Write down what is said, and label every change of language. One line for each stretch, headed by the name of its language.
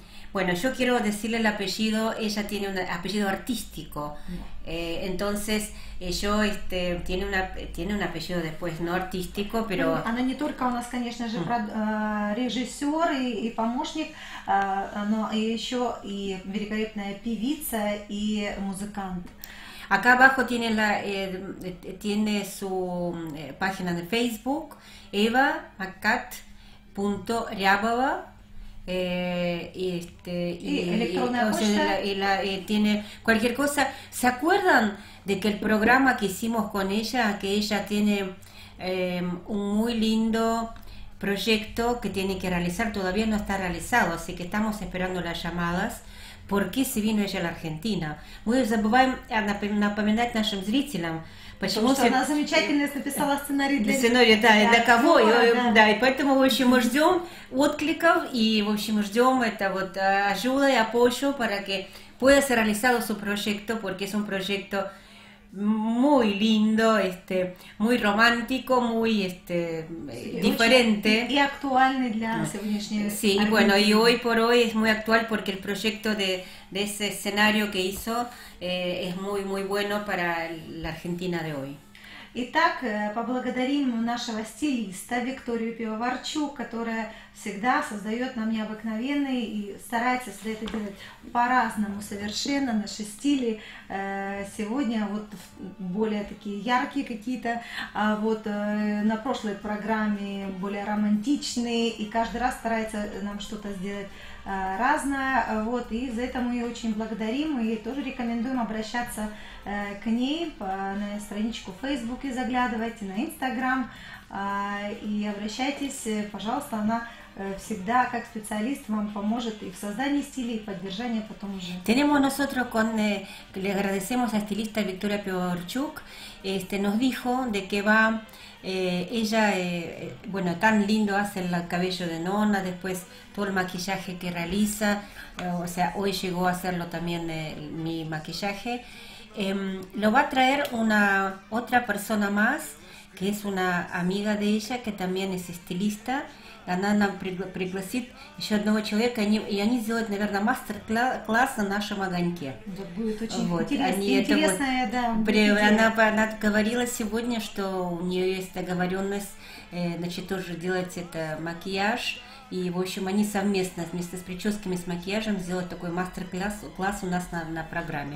Spanish: Bueno, yo quiero decirle el apellido, ella tiene un apellido artístico, entonces yo tiene un apellido después no artístico, pero...
Russian: Она не только у нас, конечно же, режиссер и помощник, но еще и великолепная певица и музыкант.
Spanish: Acá abajo tiene su página de Facebook, eva.macat.riabava. Y tiene cualquier cosa. ¿Se acuerdan de que el programa que hicimos con ella, que ella tiene un muy lindo proyecto que tiene que realizar, todavía no está realizado, así que estamos esperando las llamadas? ¿Por qué se vino ella a la Argentina?
Russian: Мы забываем напоминать нашим зрителям. Потому что она замечательно написала сценарий для сценария, да, и для кого, да, и поэтому, в общем, мы ждем откликов, и, в общем, ждем это вот
Spanish: ayuda y apoyo para que pueda ser realizado su proyecto, porque es un proyecto muy lindo, este, muy romántico, muy este, sí, diferente. Y actual en la
Russian: сегодняшняя.
Spanish: Sí, y bueno, y hoy por hoy es muy actual porque el proyecto de ese escenario que hizo es muy, muy bueno para la Argentina de hoy.
Russian: Итак, поблагодарим нашего стилиста Викторию Пивоварчук, которая всегда создает нам необыкновенные и старается это делать по-разному совершенно. Наши стили сегодня вот более такие яркие какие-то, а вот на прошлой программе более романтичные, и каждый раз старается нам что-то сделать разное. Вот, и за это мы ее очень благодарим и тоже рекомендуем обращаться к ней на страничку в Фейсбуке, заглядывайте на Инстаграм и обращайтесь, пожалуйста, она всегда как специалист вам поможет и в создании стиля, и поддержании потом уже.
Spanish: Tenemos nosotros con le agradecemos a estilista Victoria Pivoварчук, este nos dijo de que va ella bueno, tan lindo hace el cabello de Nona, después todo el maquillaje que realiza, o sea, hoy llegó a hacerlo también mi maquillaje. Lo va a traer una otra persona más, que es una amiga de ella, que también es estilista, la Nana
Russian: пригласит еще одного человека, и они сделают, наверное, мастер-класс на нашем огоньке. Да, будет очень вот, интересно. Вот, да, она говорила сегодня, что у нее есть договоренность, значит, тоже делать это макияж. И, в общем, они совместно вместе с прическами, с макияжем сделают такой мастер-класс у нас на программе.